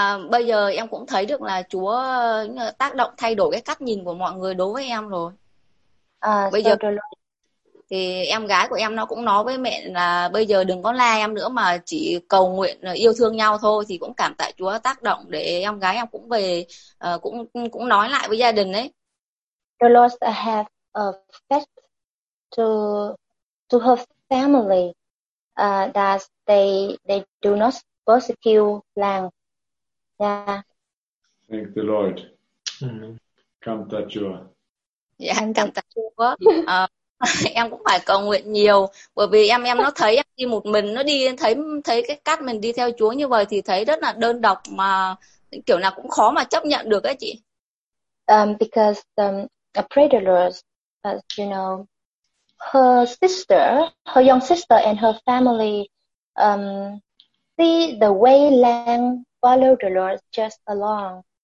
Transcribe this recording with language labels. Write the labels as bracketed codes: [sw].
[vi] Bây giờ em cũng thấy được là Chúa tác động thay đổi cái cách nhìn của mọi người đối với em rồi. Thì em gái của em nó cũng nói với mẹ là bây giờ đừng có la em nữa mà chỉ cầu nguyện yêu thương nhau thôi, thì cũng cảm tạ Chúa tác động để em gái em cũng về cũng nói lại với gia đình ấy. [en] The Lord have effect to her family that they do not persecute Lang. Thank the Lord. [vi] Cảm tạ Chúa. Cảm tạ Chúa. Em cũng phải cầu nguyện nhiều bởi vì em nó thấy em đi một mình, nó đi thấy cái cách mình đi theo Chúa như vậy thì thấy rất là đơn độc mà kiểu nào cũng khó mà chấp nhận được ấy chị. [en] Because I pray the Lord, but you know, her young sister and her family see the way Lang follow the Lord just along.